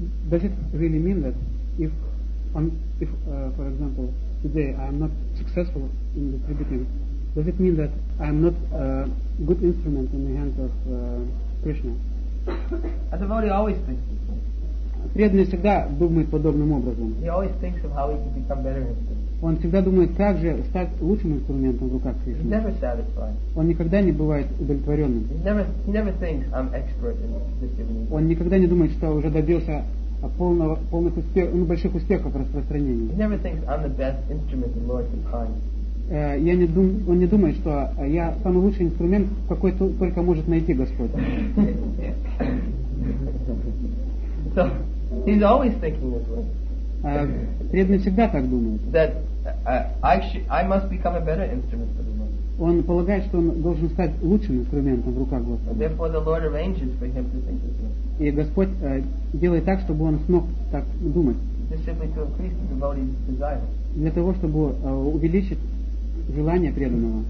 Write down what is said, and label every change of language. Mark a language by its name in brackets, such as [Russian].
[English] Does it really mean that if for example today I am not successful in distributing, does it mean that I am not a good instrument in the hands of Krishna? A devotee always thinks this way. [Russian] Преданный всегда думает подобным образом. [English] He always thinks of how he can become better instrument. [Russian] Он всегда думает, как же стать лучшим инструментом в руках Кришны. [English] He's never satisfied. [Russian] Он никогда не бывает удовлетворенным. [English] He never thinks I'm expert in distributing. [Russian] Он никогда не думает, что уже добился полных успехов, ну, больших успехов в распространении. [English] He never thinks I'm the best instrument the Lord can find. [Russian] Он не думает, что я самый лучший инструмент, какой только может найти Господь. [English] So, he's always thinking this way. [Russian] Преданный всегда так думает. [English] That I must become a better instrument for the Lord. [Russian] Он полагает, что он должен стать лучшим инструментом в руках Господа. [English] Therefore, the Lord arranges for him to think this way. [Russian] И Господь делает так, чтобы он смог так думать. [English] Just simply to increase the devotee's desire. [Russian] Для того, чтобы увеличить желание преданного.